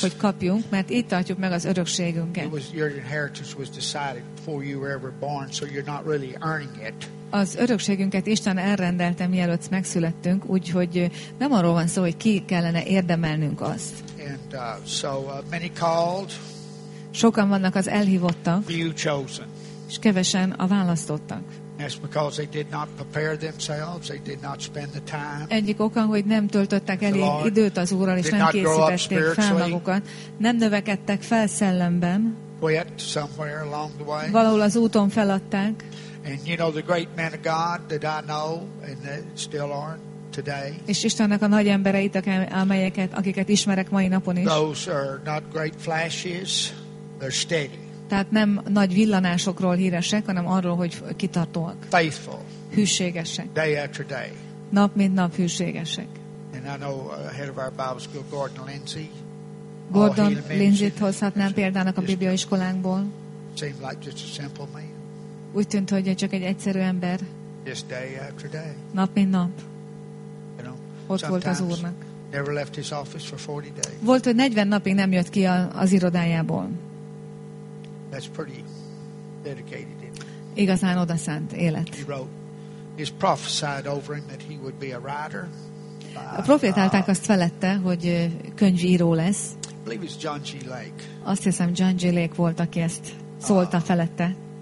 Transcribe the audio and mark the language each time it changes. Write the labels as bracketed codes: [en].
[hu] Hogy kapjunk, mert így tartjuk meg az örökségünket. [en] Your inheritance was decided before you were ever born, so you're not really earning it. [hu] Az örökségünket Isten elrendelte, mielőtt megszülettünk, úgyhogy nem arról van szó, hogy ki kellene érdemelnünk azt. [en] And, many called, [hu] sokan vannak az elhívottak, [en] few chosen, [hu] és kevesen a választottak. [en] That's because they did not prepare themselves, they did not spend the time. [hu] Egyik oka, hogy nem töltöttek elég időt az Úrral, és nem készítették fel magukat, nem növekedtek fel szellemben, [en] quit somewhere along the way. [hu] Valahol az úton feladták. [en] And you know the great men of God that I know and that still are today. [hu] És Istennek a nagy embereit, amelyeket, akiket ismerek mai napon is. [en] Those are not great flashes, they're steady. [hu] Tehát nem nagy villanásokról híresek, hanem arról, hogy kitartóak. [en] Faithful. [hu] Hűségesek. [en] Day after day. [hu] Nap mint nap hűségesek. [en] And I know head of our Bible school, Gordon Lindsay. [hu] Gordon Lindsay-t hozhatnám példának a Bibliaiskolánkból. [en] Seemed like just a simple man. [hu] Úgy tűnt, hogy csak egy egyszerű ember. [en] Just day after day. [hu] Nap mint nap. [en] You know, [hu] ott volt az Úrnak. [en] Never left his office for 40 days. [hu] Volt, hogy 40 napig nem jött ki az irodájából. [en] That's pretty dedicated. [hu] Igazán odaszánt élet. [en] He wrote, he's prophesied over him that he would be a writer. [hu] A profétálták azt felette, hogy könyvíró lesz. [en] I believe it's John G. Lake. [hu] Azt hiszem, John G. Lake volt, aki ezt szólta felette.